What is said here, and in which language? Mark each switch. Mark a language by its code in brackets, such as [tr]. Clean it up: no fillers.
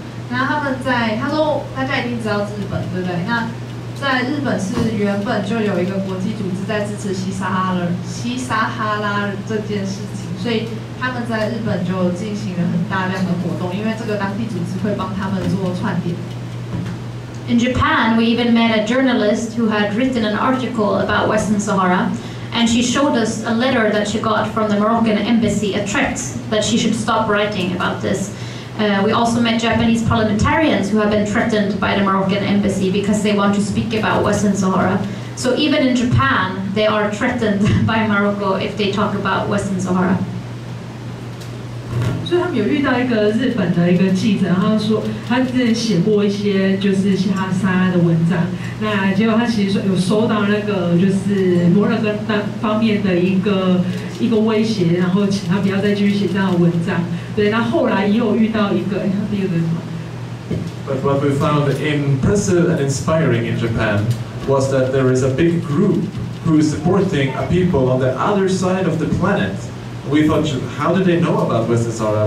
[zh] 那他们在他说大家一定知道日本对不对？那在日本是原本就有一个国际组织在支持西撒哈拉这件事情，所以他们在日本就进行了很大量的活动，因为这个当地组织会帮他们做串点。 [en] In Japan, we even met a journalist who had written an article about Western Sahara, and she showed us a letter that she got from the Moroccan embassy, a threat that she should stop writing about this. We also met Japanese parliamentarians who have been threatened by the Moroccan embassy because they want to speak about Western Sahara. So even in Japan, they are threatened by Morocco if they talk about Western Sahara. [zh] 所以他们有遇到一个日本的一个记者，然后说他之前写过一些就是西撒哈拉的文章，那结果他其实有收到那个就是摩洛哥那方面的一个威胁，然后请他不要再继续写这样的文章。对，那 后来又遇到一个，哎，他第二个是什么 [en] ？But what we found impressive and inspiring in Japan was that there is a big group who is supporting a people on the other side of the planet. We thought, how did they know about Western Sahara?